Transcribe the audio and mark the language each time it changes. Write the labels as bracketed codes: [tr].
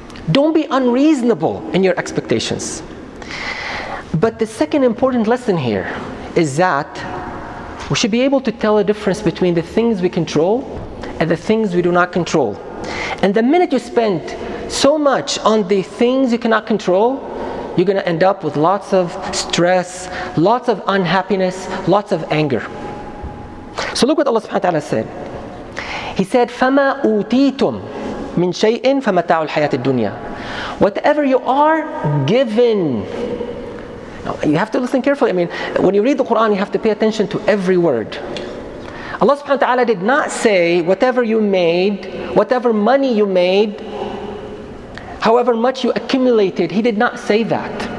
[en] Don't be unreasonable in your expectations. But the second important lesson here is that we should be able to tell a difference between the things we control and the things we do not control. And the minute you spend so much on the things you cannot control, you're going to end up with lots of stress, lots of unhappiness, lots of anger. So look what Allah subhanahu wa ta'ala said. He said, [ar] فَمَا أُوتِيتُمْ مِنْ شَيْءٍ فَمَتَاعُ الْحَيَاةِ الدُّنْيَا. [en] Whatever you are given. Now, you have to listen carefully. I mean, when you read the Quran, you have to pay attention to every word. Allah subhanahu wa ta'ala did not say, whatever you made, whatever money you made, however much you accumulated, He did not say that.